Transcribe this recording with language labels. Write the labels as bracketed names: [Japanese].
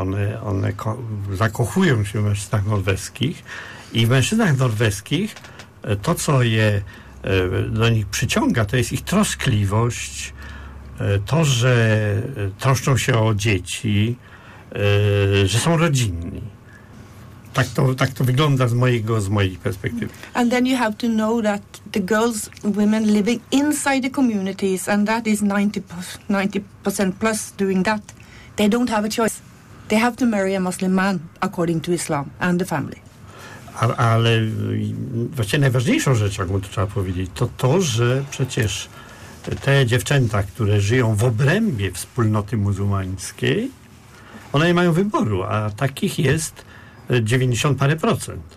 [Polish] One zakochują się w mężczyznach norweskich i w mężczyznach norweskich to, co je do nich przyciąga, to jest ich troskliwość, to, że troszczą się o dzieci, że są rodzinni. Tak to wygląda z mojej perspektywy. [English] And then you have to know that the girls, women living inside the communities, and that is 90% plus doing that, they don't have a choice. They have to marry a Muslim man according to Islam and the family. [Polish] Ale właściwie najważniejszą rzeczą, jak to trzeba powiedzieć, to to, że przecież te dziewczęta, które żyją w obrębie wspólnoty muzułmańskiej, one nie mają wyboru, a takich jest 90%.